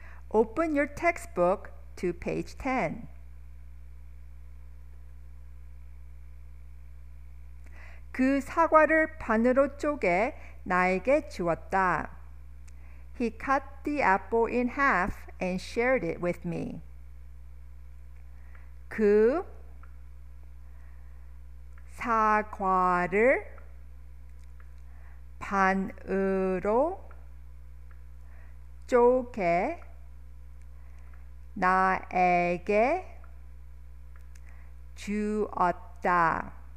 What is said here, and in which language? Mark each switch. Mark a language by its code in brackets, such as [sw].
[en] Open your textbook to page 10. [ko] 그 사과를 반으로 쪼개 나에게 주었다. [en] He cut the apple in half and shared it with me. [ko] 그 사과를 반으로 쪼개 나에게 주었다.